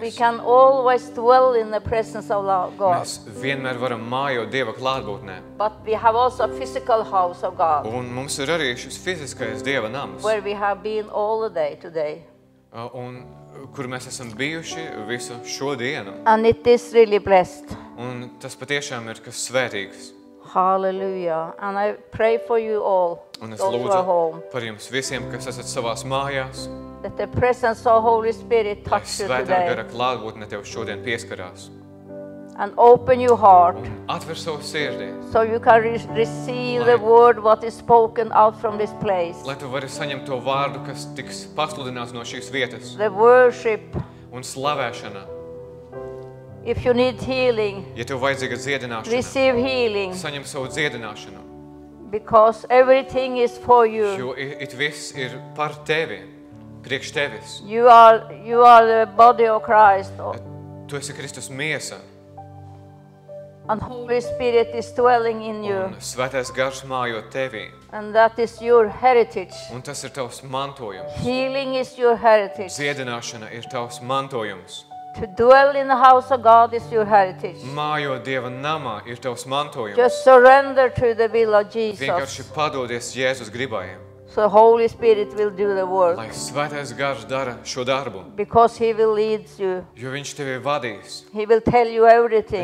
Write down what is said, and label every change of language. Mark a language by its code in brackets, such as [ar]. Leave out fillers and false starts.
[en] We can always dwell in the presence of God. [lv] Mēs vienmēr varam mājot Dieva klātbūtnē. [en] But we have also a physical house of God. [lv] Un mums ir arī šis fiziskais Dieva nams. [en] Where we have been all the day today. [lv] Un kur mēs esam bijuši visu šo dienu. [en] And it is really blessed. [lv] Un tas patiešām ir kas svētīgs. [en] Hallelujah. And I pray for you all. [lv] Un es lūdzu par jums visiem, kas esat savās mājās. [en] That the presence of Holy Spirit touch you today. [lv] Svētā gara klātbūtne tev šodien pieskarās. [en] And open your heart. [lv] Atver savu sirdi. [en] So you can receive the word what is spoken out from this place. [lv] Lai tu vari saņemt to vārdu, kas tiks pasludināts no šīs vietas. [en] The worship. [lv] Un slavēšana. [en] If you need healing, [lv] ja tev vajadzīga dziedināšana, [en] receive healing. [lv] Saņem savu dziedināšanu. [en] Because everything is for you. [lv] Jo it viss ir par tevi, priekš tevis. [en] You are the body of Christ. [lv] Tu esi Kristus miesa. [en] And Holy Spirit is dwelling in you. [lv] Un Svētais Gars mājo tevī. [en] And that is your heritage. [lv] Un tas ir tavs mantojums. [en] Healing is your heritage. [lv] Dziedināšana ir tavs mantojums. [en] To dwell in the house of God is your heritage. [lv] Mājo Dieva namā ir tavs mantojums. [en] Just surrender to the will of Jesus. [lv] Vienkārši padodies Jēzus gribai. [en] So Holy Spirit will do the work. [lv] Lai Svētais Gars dara šo darbu. [en] Because he will lead you. [lv] Jo viņš tevi vadīs. [en] He will tell you everything.